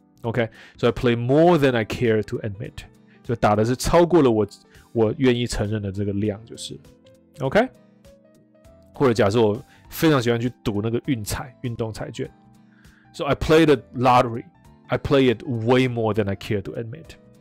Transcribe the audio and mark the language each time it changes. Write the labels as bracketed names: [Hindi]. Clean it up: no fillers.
[English] OK, so I play more than I care to admit. [Chinese] 就打的是超过了 我愿意承认的这个量就是。 [English] OK? [Chinese] 或者假设我非常喜欢去赌那个运动彩券。 [English] So I play the lottery. I play it way more than I care to admit.